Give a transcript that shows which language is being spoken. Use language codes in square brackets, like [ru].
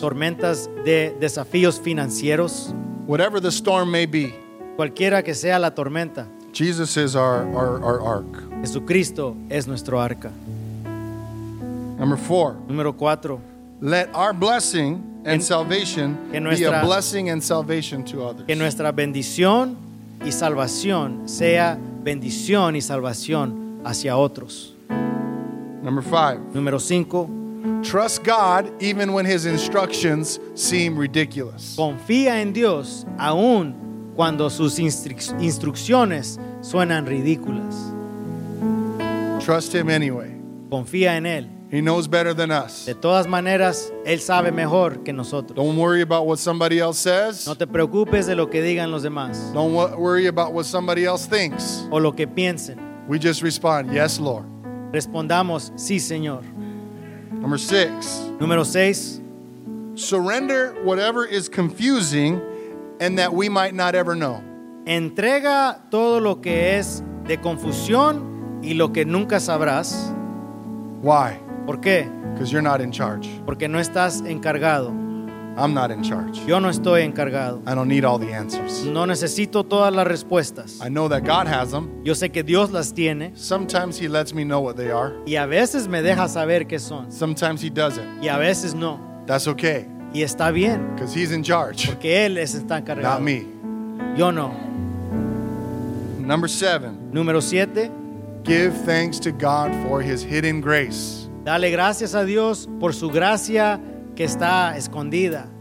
[es] Tormentas de desafíos financieros. [en] Whatever the storm may be. [es] Cualquiera que sea la tormenta. [en] Jesus is our ark. [es] Jesucristo es nuestro arca. [en] Number four. [es] Número cuatro. [en] Let our blessing and salvation [es] nuestra, [en] be a blessing and salvation to others. [es] Que nuestra bendición y salvación sea bendición y salvación hacia otros. [en] Number five. [es] Número cinco. [en] Trust God even when His instructions seem ridiculous. [es] Confía en Dios aún cuando sus instrucciones suenan ridículas. [en] Trust him anyway. [es] Confía en él. [en] He knows better than us. [es] De todas maneras, él sabe mejor que nosotros. [en] Don't worry about what somebody else says. [es] No te preocupes de lo que digan los demás. [en] Don't worry about what somebody else thinks. [es] O lo que piensen. [en] We just respond, yes, Lord. [es] Respondamos, sí, Señor. [en] Number six. [es] Número seis. [en] Surrender whatever is confusing and that we might not ever know. [es] Entrega todo lo que es de confusión y lo que nunca sabrás. [en] Why? [es] ¿Por qué? [en] Because you're not in charge. [es] Porque no estás encargado. [en] I'm not in charge. [es] Yo no estoy encargado. [en] I don't need all the answers. [es] No necesito todas las respuestas. [en] I know that God has them. [es] Yo sé que Dios las tiene. [en] Sometimes he lets me know what they are. [es] Y a veces me deja saber qué son. [en] Sometimes he doesn't. [es] Y a veces no. [en] That's okay. [es] Y está bien. [en] Because he's in charge. [es] Porque él es está encargado. [en] Not me. [es] Yo no. [en] Number seven. [es] Número siete. [en] Give thanks to God for his hidden grace. [es] Dale gracias a Dios por su gracia que está escondida.